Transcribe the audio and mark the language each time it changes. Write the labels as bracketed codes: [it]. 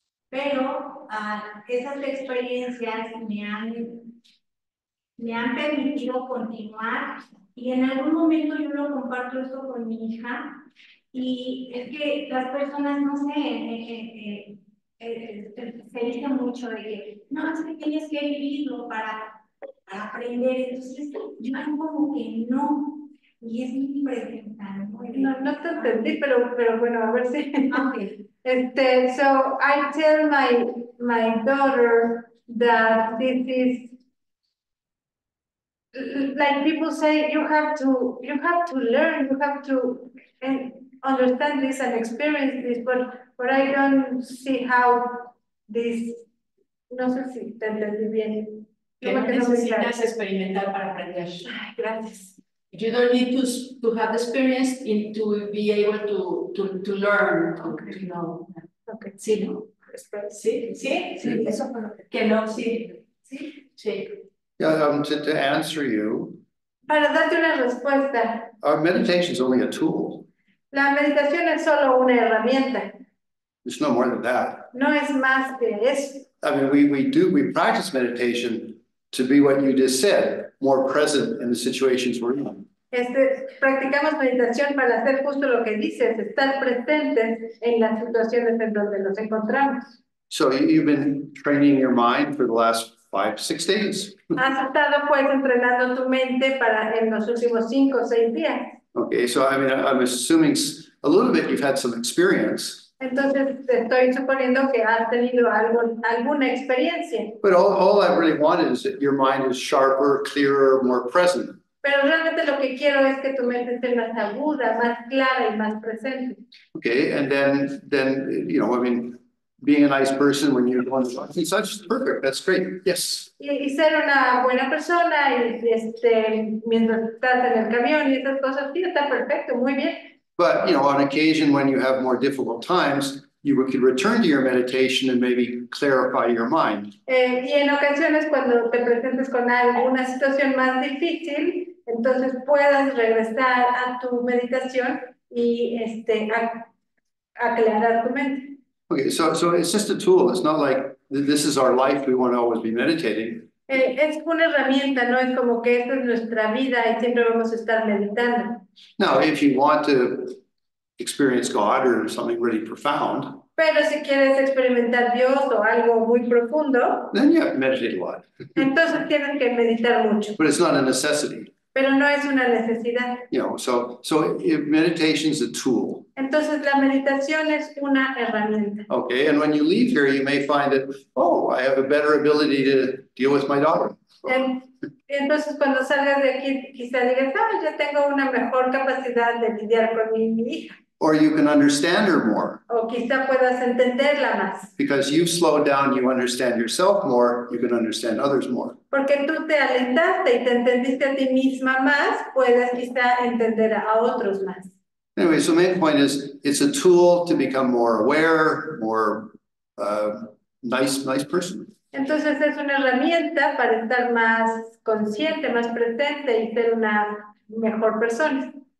[es] Pero esas experiencias me han permitido continuar, y en algún momento yo lo comparto esto con mi hija, y es que las personas, no sé, se dice mucho de que no, es que tienes que vivirlo para aprender. Entonces yo como que no, y es mi pregunta, no te entendí, pero bueno, a ver si [en] okay. So I tell my daughter that this is like people say you have to learn, you have to understand this and experience this, but I don't see how this, [es] no sé si te entendí bien. Que no necesitas experimentar para aprender. Ay, gracias. [en] You don't need to have experience in to be able to learn, you know. Okay. [es] Sí, no. [en] Okay. [es] Sí, sí, sí. Eso fue. Que no, sí. Sí, sí. [en] Yeah, to answer you. [es] Para darte una respuesta. [en] Our meditation is only a tool. [es] La meditación es solo una herramienta. [en] It's no more than that. [es] No es más que eso. [en] I mean, we practice meditation to be what you just said, more present in the situations we're in. [es] Practicamos meditación para hacer justo lo que dices, estar presentes en las situaciones en donde nos encontramos. [en] So you've been training your mind for the last 5-6 days. [es] Has estado pues entrenando tu mente para en los últimos 5-6 días. [en] Okay, so I mean, I'm assuming a little bit you've had some experience. [es] Entonces, estoy suponiendo que has tenido alguna experiencia. [en] But all I really want is that your mind is sharper, clearer, more present. [es] Pero realmente lo que quiero es que tu mente esté más aguda, más clara y más presente. [en] Okay, and then you know, I mean, being a nice person when you're one of the such is perfect. That's great. Yes. [es] Y ser una buena persona y mientras estás en el camión y esas cosas, sí, está perfecto, muy bien. [en] But you know, on occasion when you have more difficult times, you could return to your meditation and maybe clarify your mind. [es] Y en ocasiones cuando te presentes con alguna situación más difícil, entonces puedas regresar a tu meditación y aclarar tu mente. [en] Okay, so it's just a tool. It's not like this is our life. We want to always be meditating. [es] Es una herramienta, no es como que esta es nuestra vida y siempre vamos a estar meditando. [en] Now, if you want to experience God or something really profound, [es] pero si quieres experimentar Dios o algo muy profundo, [en] then you have to meditate a lot. [es] Entonces tienes que meditar mucho. [en] But it's not a necessity. [es] Pero no es una necesidad. [en] You know, so if meditation is a tool. [es] Entonces la meditación es una herramienta. [en] Okay, and when you leave here, you may find that, oh, I have a better ability to deal with my daughter. [es] Entonces cuando salgas de aquí, quizá digas, ¿sabes? Yo tengo una mejor capacidad de lidiar con mi hija. [en] Or you can understand her more. [es] O quizá puedas entenderla más. [en] Because you've slowed down, you understand yourself more, you can understand others more. [es] Porque tú te alentaste y te entendiste a ti misma más, puedes quizá entender a otros más. [en] Anyway, so the main point is, it's a tool to become more aware, more nice person. [es] Entonces es una herramienta para estar más consciente, más presente y ser una mejor persona.